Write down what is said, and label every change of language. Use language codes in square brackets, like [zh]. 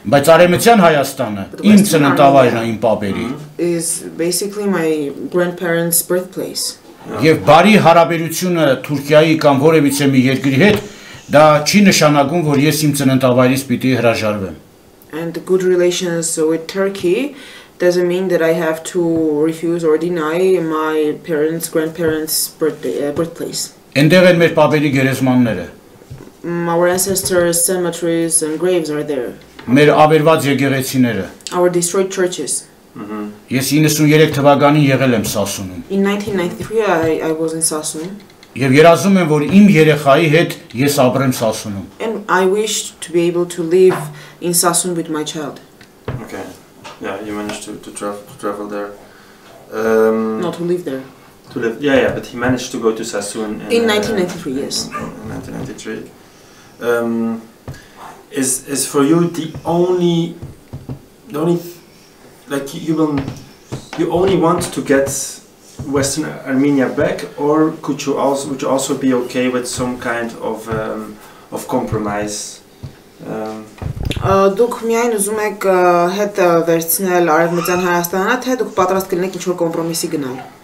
[hy] Բայց արևմտյան Հայաստանը իմ ծննդավայրն է, իմ պապերի։ [en] Is basically my grandparents' birthplace. [hy] Եվ բարի հարաբերությունը Թուրքիայի կամ որևիցե մի երկրի հետ դա չի նշանակում, որ ես իմ ծննդավայրից պիտի հրաժարվեմ։ [en] And good relations with Turkey doesn't mean that I have to refuse or deny my parents' grandparents' birthplace. [hy] Ընդեղ են մեր պապերի գերեզմանները։ [en] Our ancestors' cemeteries and graves are there. [hy] Մեր ավերված եկեղեցիները։ [en] Our destroyed churches. [hy] Ես 93 թվականին եղել եմ Սասունում։ [en] In 1993 I was in Sasun. [hy] Եվ երազում եմ, որ իմ երեխայի հետ ես ապրեմ Սասունում։ [en] And I wish to be able to live in Sasun with my child. Okay. Yeah, you managed to travel there. Not to live there. To live, yeah, but he managed to go to Sasun in 1993, yes. In 1993. Is for you the only, like you only want to get Western Armenia back, or could you also, would you also be okay with some kind of compromise? [hy] Դուք միայն ուզում եք հետ վերցնել Արևմտյան Հայաստանը, թե դուք պատրաստ կլինեք ինչ-որ կոմպրոմիսի գնալ?